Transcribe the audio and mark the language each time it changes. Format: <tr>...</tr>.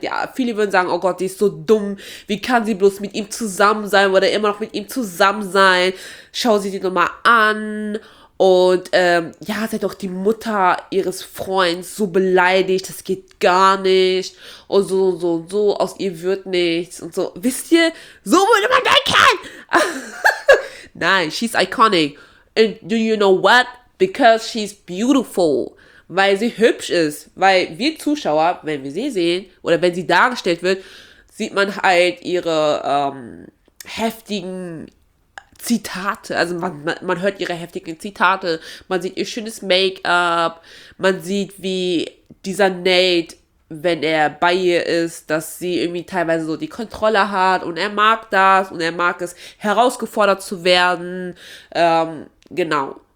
<de>Ja, viele würden sagen, oh Gott, die ist so dumm, wie kann sie bloß mit ihm zusammen sein oder immer noch mit ihm zusammen sein, schau sie dir nochmal an. Und ja, sie hat auch die Mutter ihres Freunds so beleidigt, das geht gar nicht. Und so und so und so, aus ihr wird nichts und so. Wisst ihr, so würde man denken!</de> <en>Nein, she's iconic. And do you know what? Because she's beautiful.</en> <de>Weil sie hübsch ist. Weil wir Zuschauer, wenn wir sie sehen oder wenn sie dargestellt wird, sieht man halt ihre heftigen Zitate, also man hört ihre heftigen Zitate, man sieht ihr schönes Make-up, man sieht, wie dieser Nate, wenn er bei ihr ist, dass sie irgendwie teilweise so die Kontrolle hat und er mag das und er mag es, herausgefordert zu werden, genau.</de>